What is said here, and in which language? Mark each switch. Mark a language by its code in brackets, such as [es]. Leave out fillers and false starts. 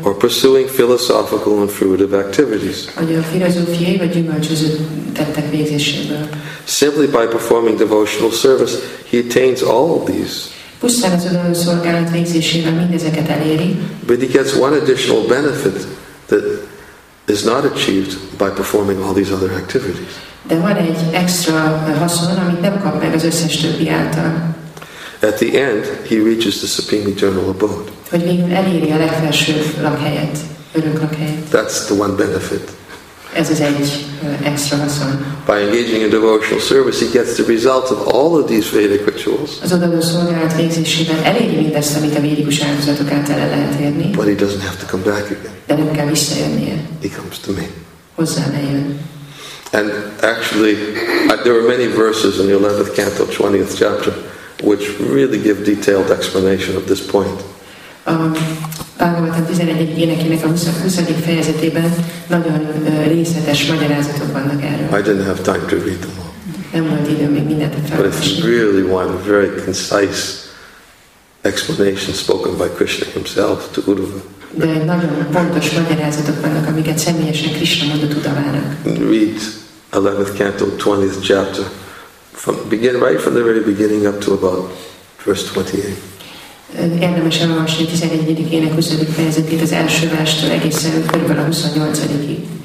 [en] Or pursuing philosophical and fruitive activities. [hu] Vagy a filozófiai vagy gyümölcsöző tettek végzéséből. [en] Simply by performing devotional service, he attains all of these. [hu] Pusztán az odaadószolgálat végzésével mindezeket eléri. [en] But he gets one additional benefit that is not achieved by performing all these other activities. [hu] De van egy extra haszon, amit nem kap meg az összes többi által. [en] At the end, he reaches the supreme eternal abode. [hu] Hogy végül eléri a legfelső lakhelyet, örök lakhelyet. [en] That's the one benefit. [hu] Ez az egy extra haszon. [en] By engaging in devotional service, he gets the results of all of these Vedic rituals. [hu] Az odaadószolgálat végzésében eléri mindezt, amit a védikus áldozatok által el lehet érni. [en] But he doesn't have to come back again. [hu] De nem kell visszajönnie. [en] He comes to me. [hu] Hozzám eljön. [en] And actually, there are many verses in the 11th canto, 20th chapter, which really give detailed explanation of this point. [hu] Bhagavatam 11. énekének a 20. fejezetében nagyon részletes magyarázatok vannak erről. [en] I didn't have time to read them all. [hu] Nem volt időm még mindent felolvasni. [en] But it's really one very concise explanation spoken by Krishna himself to Uddhava. [hu] De nagyon pontos magyarázatok vannak, amiket személyesen Krishna mondott Uddhavának. [en] Read 11th canto, 20th chapter, right from the very beginning up to about verse 28. [hu] Érdemes elolvasni 11. ének 20. fejezetét az első verstől egészen körülbelül a 28-ig.